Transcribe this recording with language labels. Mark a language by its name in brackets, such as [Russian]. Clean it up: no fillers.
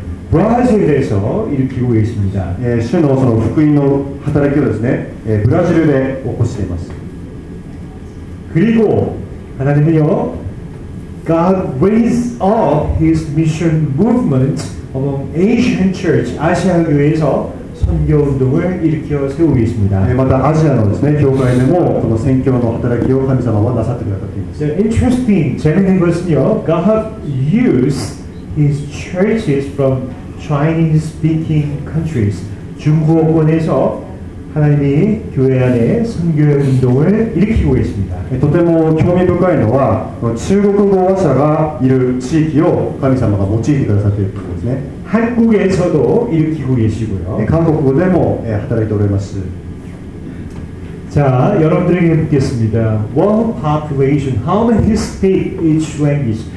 [Korean] 그의선교운동을브라질에서일으키고있습니다 [Japanese] 主のその福音の働きをですね、ブラジルで起こしています。 [Korean] 그리고하나님은요 [English] God raised up His mission movement among Asian church, [Korean] 아시아교회에서선교운동을일으켜세우고있습니다 [Japanese] また、アジアのですね、教会でもこの宣教の働きを神様はなさってくださっています。 [English] The interesting, [Korean] 재밌는것은요 [English] God used His churches from Chinese-speaking countries. [Korean] 중국어권에서하나님이교회안에선교운동을일으키고있습니다 [Japanese] とても興味深いのは、中国語話者がいる地域を神様が用いてくださっているということですね。 [Korean] 한국에서도일으키고계시고요 [Japanese] 한국어でも働いております [Korean] 자여러분들에게해보겠습니다 [English] World population, how many speak each language?